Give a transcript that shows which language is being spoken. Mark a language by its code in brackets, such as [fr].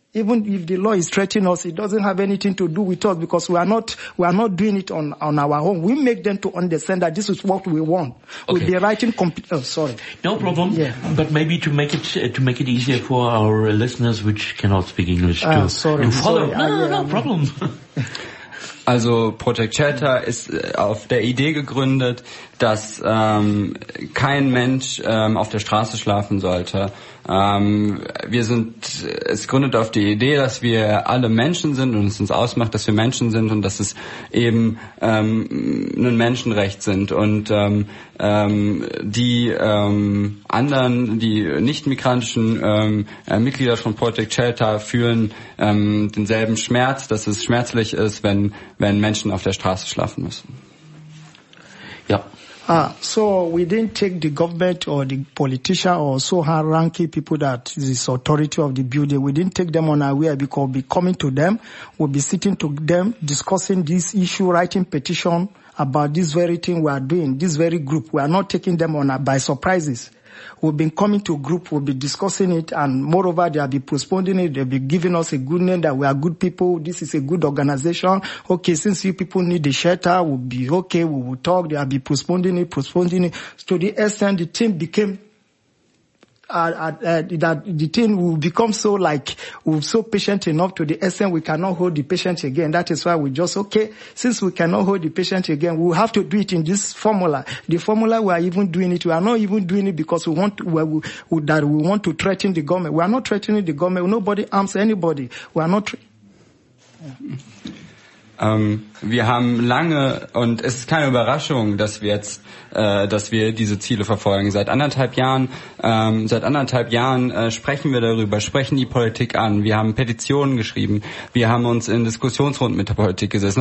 [en] Even if the law is threatening us, it doesn't have anything to do with us because we are not doing it on our own. We make them to understand that this is what we want. Okay. We'll be writing No problem. Yeah. But maybe to make it easier for our listeners which cannot speak English to follow. [de] Also Project Chatta ist auf der Idee gegründet, dass kein Mensch auf der Straße schlafen sollte. Es gründet auf die Idee, dass wir alle Menschen sind und es uns ausmacht, dass wir Menschen sind und dass es eben ein Menschenrecht sind. Und anderen, die nicht-migrantischen Mitglieder von Project Chatta fühlen denselben Schmerz, dass es schmerzlich ist, wenn Menschen auf der Straße schlafen müssen. Ja. [en] So we didn't take the government or the politician or so high ranking people that is authority of the building. We didn't take them on our way because we'll be coming to them, we'll be sitting to them, discussing this issue, writing petition about this very thing we are doing, this very group. We are not taking them on by surprises. We've been coming to a group, we'll be discussing it, and moreover, they'll be postponing it, they'll be giving us a good name that we are good people, this is a good organization. Okay, since you people need the shelter, we'll be okay, we will talk, they'll be postponing it. To the extent, the team became, that the team will become so like, we're so patient enough, to the extent we cannot hold the patient again. That is why we just, okay, since we cannot hold the patient again, we have to do it in this formula. The formula we are even doing it, we are not even doing it because we want to threaten the government. We are not threatening the government. Nobody arms anybody. We are not. [de] Wir haben lange, und es ist keine Überraschung, dass wir diese Ziele verfolgen. Seit anderthalb Jahren sprechen wir darüber, sprechen die Politik an. Wir haben Petitionen geschrieben. Wir haben uns in Diskussionsrunden mit der Politik gesessen.